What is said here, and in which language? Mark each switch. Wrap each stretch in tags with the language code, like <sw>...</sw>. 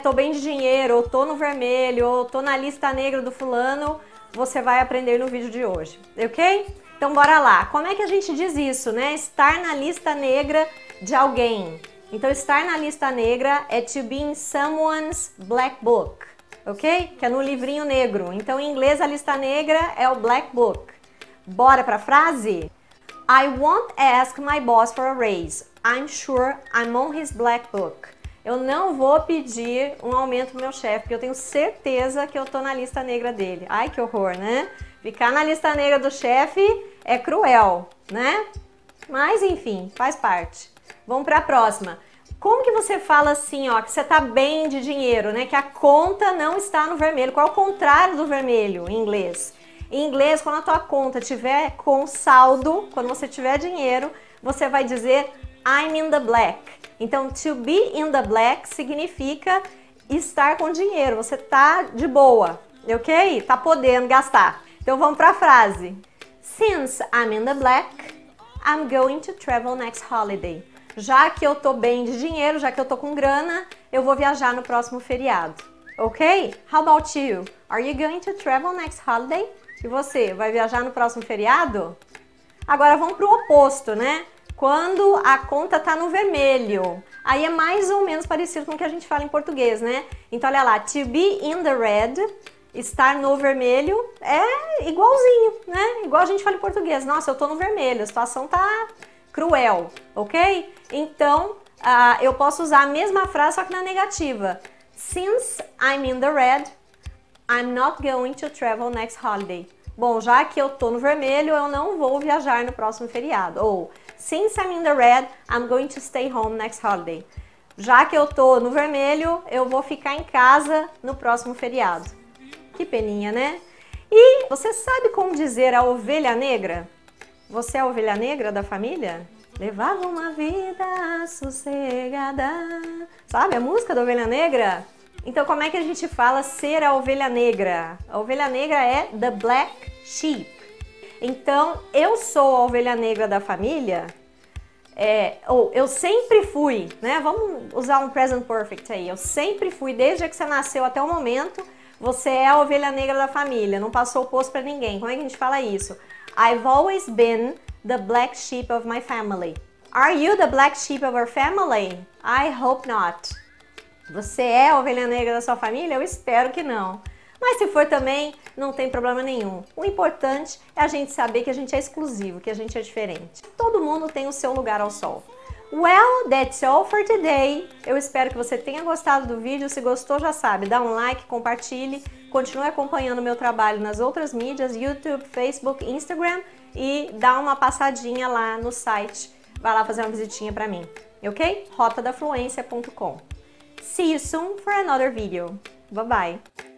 <pt>Tô bem de dinheiro, ou tô no vermelho, ou tô na lista negra do fulano, você vai aprender no vídeo de hoje, ok? Então, bora lá. Como é que a gente diz isso, né? Estar na lista negra de alguém. Então, estar na lista negra é</pt> <en>to be in someone's black book,</en> <pt>ok? Que é no livrinho negro. Então, em inglês, a lista negra é o black book. Bora pra frase?</pt> <en>I won't ask my boss for a raise. I'm sure I'm on his black book.</en> <pt>Eu não vou pedir um aumento pro meu chefe, porque eu tenho certeza que eu tô na lista negra dele. Ai, que horror, né? Ficar na lista negra do chefe é cruel, né? Mas enfim, faz parte. Vamos para a próxima. Como que você fala assim, ó, que você tá bem de dinheiro, né? Que a conta não está no vermelho. Qual é o contrário do vermelho em inglês? Em inglês, quando a tua conta tiver com saldo, quando você tiver dinheiro, você vai dizer</pt> <en>I'm in the black.</en> <pt>Então,</pt> <en>to be in the black</en> <pt>significa estar com dinheiro. Você tá de boa, ok? Tá podendo gastar. Então vamos para a frase.</pt> <en>Since I'm in the black, I'm going to travel next holiday.</en> <pt>Já que eu tô bem de dinheiro, já que eu tô com grana, eu vou viajar no próximo feriado.</pt> <en>Ok? How about you? Are you going to travel next holiday?</en> <pt>E você, vai viajar no próximo feriado? Agora vamos para o oposto, né? Quando a conta tá no vermelho. Aí é mais ou menos parecido com o que a gente fala em português, né? Então olha lá,</pt> <en>to be in the red.</en> <pt>Estar no vermelho é igualzinho, né? Igual a gente fala em português. Nossa, eu tô no vermelho, a situação tá cruel, ok? Então, eu posso usar a mesma frase, só que na negativa.</pt> <en>Since I'm in the red, I'm not going to travel next holiday.</en> <pt>Bom, já que eu tô no vermelho, eu não vou viajar no próximo feriado.</pt> <en>Ou, since I'm in the red, I'm going to stay home next holiday.</en> <pt>Já que eu tô no vermelho, eu vou ficar em casa no próximo feriado. Que peninha, né? E você sabe como dizer a ovelha negra? Você é a ovelha negra da família? Levava uma vida sossegada. Sabe a música da ovelha negra? Então, como é que a gente fala ser a ovelha negra? A ovelha negra é</pt> <en>the black sheep.</en> <pt>Então, eu sou a ovelha negra da família? Ou eu sempre fui, né? Vamos usar um present perfect aí. Eu sempre fui, desde que você nasceu até o momento. Você é a ovelha negra da família, não passou o posto para ninguém. Como é que a gente fala isso?</pt> <en>I've always been the black sheep of my family. Are you the black sheep of our family? I hope not.</en> <pt>Você é a ovelha negra da sua família? Eu espero que não. Mas se for também, não tem problema nenhum. O importante é a gente saber que a gente é exclusivo, que a gente é diferente. Todo mundo tem o seu lugar ao sol.</pt> <en>Well, that's all for today.</en> <pt>Eu espero que você tenha gostado do vídeo. Se gostou, já sabe, dá um like, compartilhe, continue acompanhando o meu trabalho nas outras mídias, YouTube, Facebook, Instagram, e dá uma passadinha lá no site. Vai lá fazer uma visitinha para mim, ok? Rotadafluencia.com.</pt> <en>See you soon for another video. Bye bye.</en>